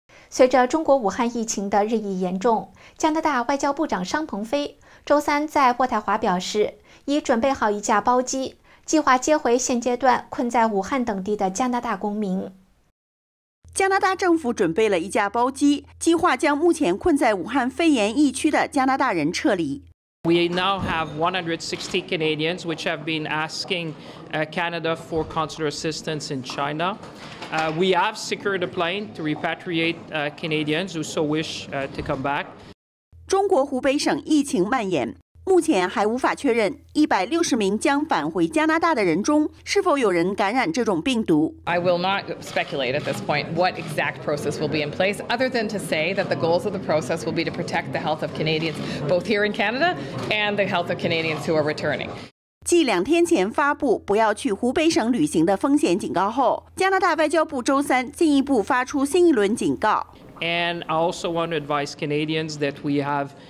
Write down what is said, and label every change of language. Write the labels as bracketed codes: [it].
[zh] 随着中国武汉疫情的日益严重，加拿大外交部长商鹏飞周三在渥太华表示，已准备好一架包机，计划接回现阶段困在武汉等地的加拿大公民。加拿大政府准备了一架包机，计划将目前困在武汉肺炎疫区的加拿大人撤离。 [en] We now have 160 Canadians which have been asking Canada for consular assistance in China. We have secured a plane to repatriate Canadians who so wish to come back. [zh] 中国湖北省疫情蔓延，目前还无法确认160名将返回加拿大的人中是否有人感染这种病毒。 [en] I will not speculate at this point what exact process will be in place, other than to say that the goals of the process will be to protect the health of Canadians both here in Canada and the health of Canadians who are returning. [zh] 继2天前发布不要去湖北省旅行的风险警告后，加拿大外交部周三进一步发出新一轮警告。 [en] And I also want to advise Canadians that we have.